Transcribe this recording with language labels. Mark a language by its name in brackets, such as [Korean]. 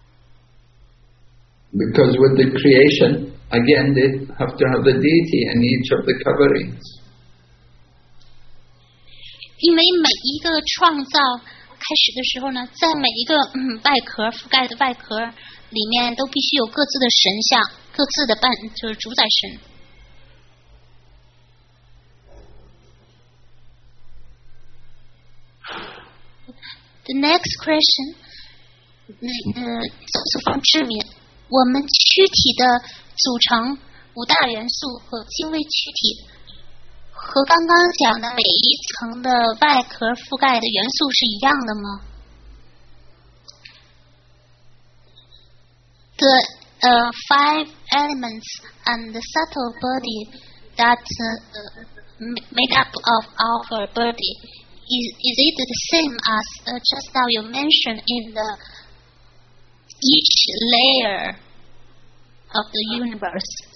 [Chinese] 在这个宇宙结束的时候呢，这个每个覆盖层的这些半神人嘛，这些神像嘛，他们被吸收到马哈维什努的身体里，等到下一次创造之后，就再次又出来。 [English] Because with the creation, again, they have to have the deity in each of the coverings. [Chinese] 因为每一个创造。开始的时候呢，在每一个覆盖的外壳里面，都必须有各自的神像，各自的伴，就是主宰神。 [English] The next question， [Chinese] 这是方志敏，我们躯体的组成五大元素和精微躯体。和刚刚讲的每一层的外壳覆盖的元素是一样的吗？ [English] The five elements and the subtle body that made up of our body, is it the same as just now you mentioned in the each layer of the universe?